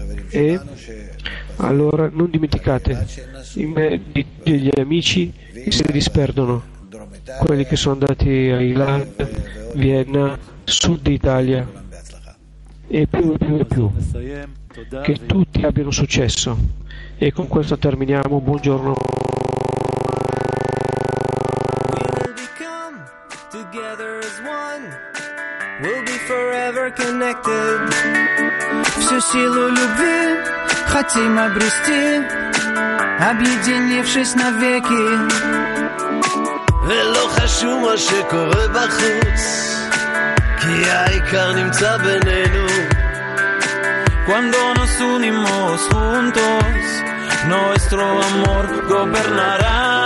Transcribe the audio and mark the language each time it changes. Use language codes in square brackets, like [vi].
[it] E allora non dimenticate in me degli amici che si disperdono, quelli che sono andati a Ilan, Vienna, Sud Italia e più, che tutti abbiano successo. E con questo terminiamo. Buongiorno. [en] We will become together as one, we'll be forever connected. [ru] Всю силу любви хотим обрести, объединившись навеки. [he] ולא חשוב מה שקורה בחוץ, כי העיקר נמצא בינינו. [es] Cuando nos unimos juntos, nuestro amor gobernará.